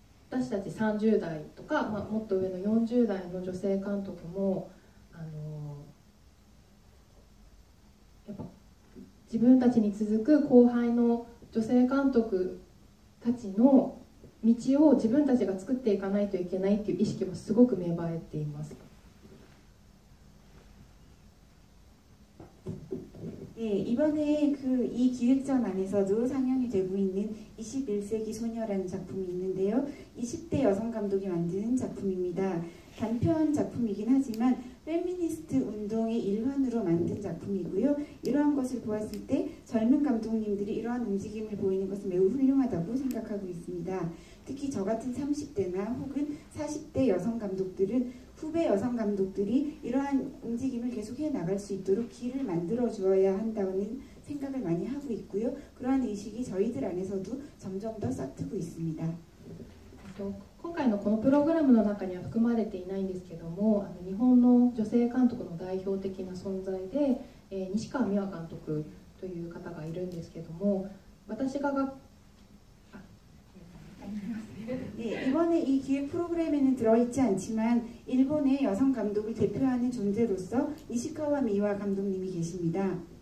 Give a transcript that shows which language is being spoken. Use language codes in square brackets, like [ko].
[ja] 私たち30代とか、もっと上の40代の女性監督も、やっぱ自分たちに続く後輩の女性監督たちの道を自分たちが作っていかないといけないっていう意識もすごく芽生えています。 [ko] 네, 이번에 이 기획전 안에서도 상영이 되고 있는 21세기 소녀라는 작품이 있는데요. 20대 여성 감독이 만드는 작품입니다. 단편 작품이긴 하지만 페미니스트 운동의 일환으로 만든 작품이고요. 이러한 것을 보았을 때 젊은 감독님들이 이러한 움직임을 보이는 것은 매우 훌륭하다고 생각하고 있습니다. 특히 저 같은 30대나 혹은 40대 여성 감독들은 후배 여성 감독들이 이러한 움직임을 계속 소개해 나갈 수 있도록 길을 만들어 주어야 한다는 생각을 많이 하고 있고요. 그러한 의식이 저희들 안에서도 점점 더 쌓이고 있습니다. [ja] 今回のこのプログラムの中には含まれていないんですけども、日本の女性監督の代表的な存在で西川美和監督という方がいるんですけども、 [ko] 네, 이번에 이 기획 프로그램에는 들어있지 않지만 일본의 여성 감독을 대표하는 존재로서 니시카와 미와 감독님이 계십니다.